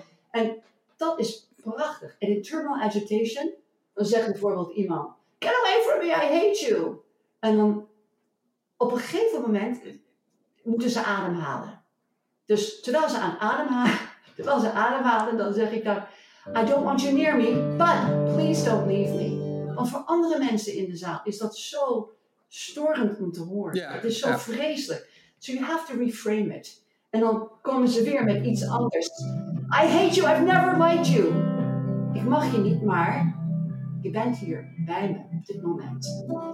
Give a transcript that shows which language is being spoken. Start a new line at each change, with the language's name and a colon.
Dutch: En dat is prachtig. En in terminal agitation, dan zegt bijvoorbeeld iemand,
English: get away from me, I hate you.
Dutch: En dan. Op een gegeven moment moeten ze ademhalen. Dus terwijl ze aan ademhalen, dan zeg ik dan,
English: I don't want you near me, but please don't leave me.
Dutch: Want voor andere mensen in de zaal is dat zo storend om te horen.
English: Yeah,
Dutch: het is zo vreselijk.
English: So you have to reframe it.
Dutch: En dan komen ze weer met iets anders.
English: I hate you, I've never liked you.
Dutch: Ik mag je niet, maar je bent hier bij me op dit moment.